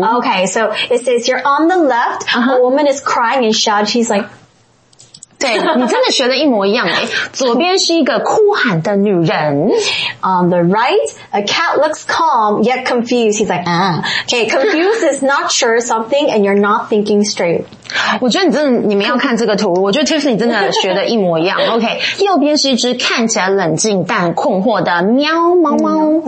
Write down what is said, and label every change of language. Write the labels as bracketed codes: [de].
[en] Okay, so it says you're on the left, a woman is crying and shouting, she's like, [zh] 对，你真的学的一模一样诶。左边是一个哭喊的女人。 [en] On the right, a cat looks calm, yet confused. He's like, Okay, confused is not sure something and you're not thinking straight. [zh] 我觉得你们要看这个图，我觉得 Tiffany 真的学的一模一样。 OK, 右边是一只看起来冷静但困惑的喵猫猫。